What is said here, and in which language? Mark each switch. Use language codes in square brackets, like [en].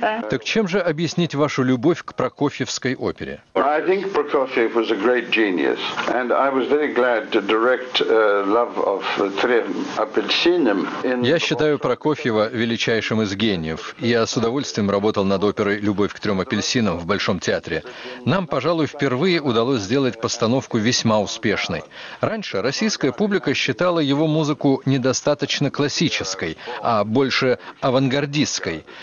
[ru] Так чем же объяснить вашу любовь к прокофьевской опере? [en] I think Prokofiev was a great genius, and I was very glad to direct Love of Trem Apelsinem. [ru] Я считаю Прокофьева величайшим из гениев. Я с удовольствием работал над оперой «Любовь к трем апельсинам» в Большом театре. Нам, пожалуй, впервые удалось сделать постановку весьма успешной. Раньше российская публика считала его музыку недостаточно классической, а больше авангардистской.